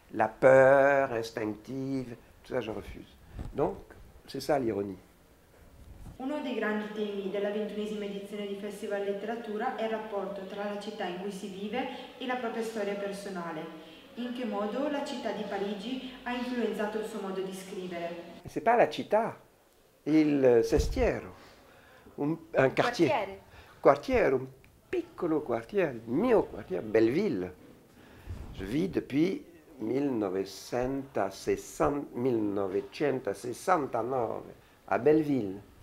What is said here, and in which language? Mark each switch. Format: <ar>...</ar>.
<fr>la peur instinctive, tout ça je refuse. Donc, c'est ça l'ironie.</fr> <it>Uno dei grandi temi della 21esima edizione di Festival Letteratura è il rapporto tra la città in cui si vive e la propria storia personale. In che modo la città di Parigi ha influenzato il suo modo di scrivere?</it> <fr>Ce n'est pas</fr> <it>la città, il sestiero,</it> <fr>un quartier.</fr> <it>Quartiere, un piccolo quartiere, il mio quartiere, Belleville.</it> <fr>Je vis depuis 1969 à Belleville.</fr>